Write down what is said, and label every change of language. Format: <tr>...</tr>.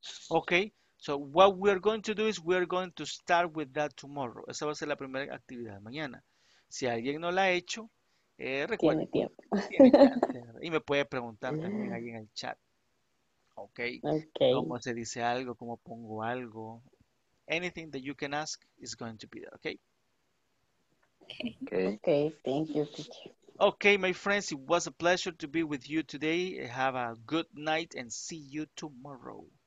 <en>Okay, so what we are going to do is we are going to start with that tomorrow.</en> <es>Esa va a ser la primera actividad de mañana. Si alguien no la ha hecho, recuerde. Tiene tiempo. Y me puede preguntar también ahí en el chat.</es> <en>Okay. Okay.</en> <es>¿Cómo se dice algo? ¿Cómo pongo algo?</es> <en>Anything that you can ask is going to be there, okay? Okay. Okay, thank you, teacher. Okay, my friends, it was a pleasure to be with you today. Have a good night and see you tomorrow.</en>